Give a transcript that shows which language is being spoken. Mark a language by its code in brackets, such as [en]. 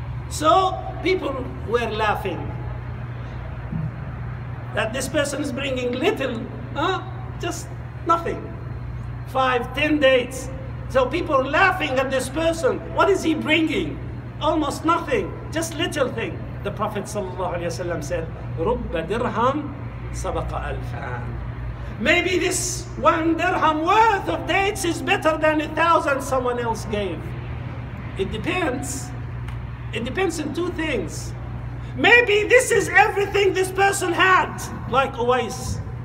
[en] So people were laughing that this person is bringing little, just nothing. 5, 10 dates. So people are laughing at this person. What is he bringing? Almost nothing, just little thing. The Prophet ﷺ said, [ar] رُبَّ دِرْهَمْ سَبَقَ أَلْفَانِ. [en] Maybe this 1 dirham worth of dates is better than 1,000 someone else gave. It depends. It depends on two things. Maybe this is everything this person had, like Owais.